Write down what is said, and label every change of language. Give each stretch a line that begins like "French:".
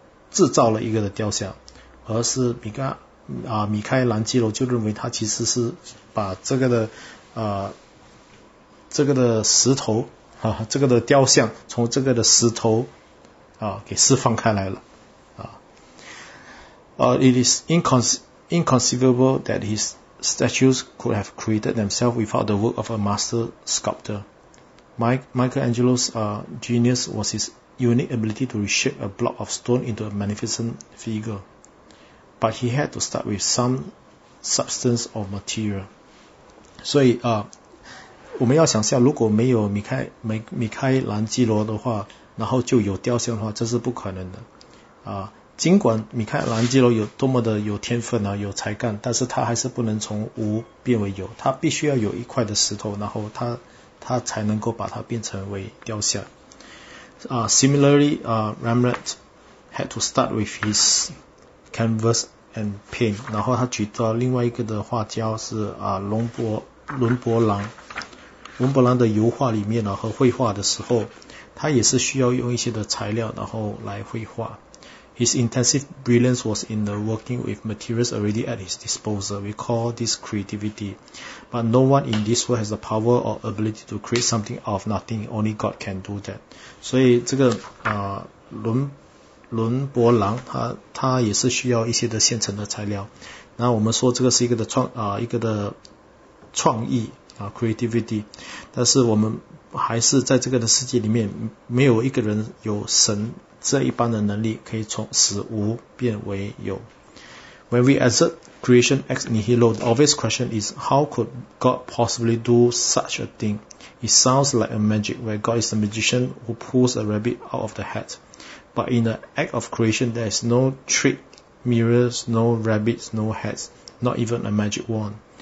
Chinese: 制造了一个的雕像，而是米开朗基罗就认为他其实是把这个的石头这个的雕像从这个的石头给释放开来了
English: It is inconceivable that his statues could have created themselves without the work of a master sculptor. Michelangelo's genius was his unique ability to reshape a block of stone into a magnificent figure. But he had to start with some substance or material.
Chinese: 所以我们要想象，如果没有米开朗基罗的话，然后就有雕像的话，这是不可能的。尽管米开朗基罗有多么的有天分有才干，但是他还是不能从无变为有，他必须要有一块的石头，然后他才能够把它变成为雕像。
English: Similarly, Rembrandt had to start with his canvas and paint.
Chinese: 然后他举到另外一个的画家是伦勃朗。伦勃朗的油画里面和绘画的时候，他也是需要用一些的材料然后来绘画。
English: His intensive brilliance was in the working with materials already at his disposal. We call this creativity. But no one in this world has the power or ability to create something out of nothing. Only God can do that.
Chinese: 所以这个伦勃朗他也是需要一些的现成的材料。那我们说这个是一个的创意creativity. 但是我们还是在这个的世界里面没有一个人有神这一般的能力可以从死无变为有。
English: When we assert creation ex nihilo, the obvious question is, how could God possibly do such a thing? It sounds like a magic where God is the magician who pulls a rabbit out of the hat. But in the act of creation, there is no trick mirrors, no rabbits, no hats, not even a magic wand.